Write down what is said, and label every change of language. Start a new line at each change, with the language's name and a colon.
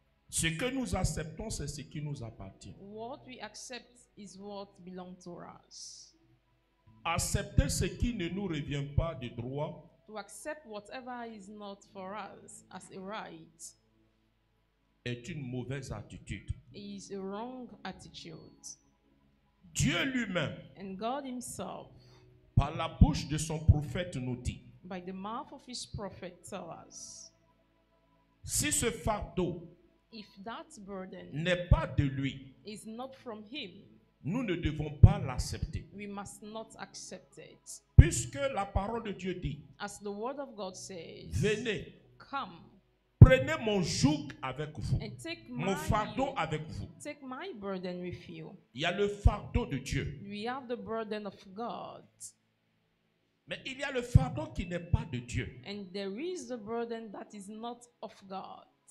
French: Ce que nous acceptons, c'est ce qui nous appartient.
English: What we accept is what belongs to us.
French: Accepter ce qui ne nous revient pas de droit.
English: To accept whatever is not for us as a right.
French: Est une mauvaise attitude.
English: Is a wrong attitude.
French: Dieu lui-même.
English: And God himself.
French: Par la bouche de son prophète nous dit.
English: By the mouth of his prophet tell us.
French: Si ce fardeau.
English: If that burden
French: n'est pas de lui,
English: is not from him,
French: nous ne devons pas l'accepter.
English: We must not accept it.
French: Puisque la parole de Dieu dit,
English: as the word of God says,
French: venez,
English: come,
French: prenez mon joug avec vous,
English: and take
French: mon fardeau avec vous.
English: Take my burden with you.
French: Il y a le fardeau de Dieu.
English: We have the burden of God.
French: Mais il y a le fardeau qui n'est pas de Dieu.
English: And there is the burden that is not of God.